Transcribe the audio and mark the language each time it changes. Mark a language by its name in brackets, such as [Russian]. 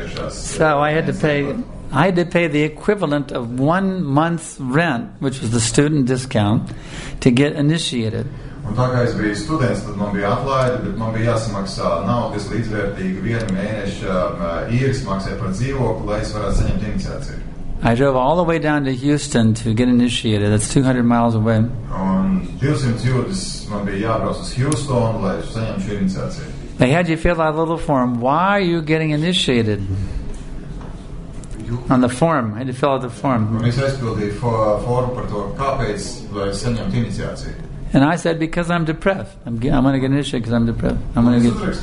[English] So I had to pay the equivalent of 1 month's rent, which was the student discount, to get initiated. [Latvian] Un tā kā es biju students, tad man bija atlaide, bet man bija jāsamaksā naudas līdzvērtīgi vienu mēnešu īres maksai par dzīvokli, lai es varētu saņemt iniciāciju. [English] I drove all the way down to Houston to get initiated. That's 200 miles away. [Latvian] Un 200 jūdes man bija jābrauc uz Houston, lai es saņemtu šo iniciāciju. [English] They had you fill out a little form. Why are you getting initiated? On the form. I had to fill out the form. [Latvian] Un es aizpildīju formu par to, kāpēc, lai es saņemtu iniciāciju. [English] And I said, because I'm depressed. I'm going to get initiated because I'm depressed. I'm going to get.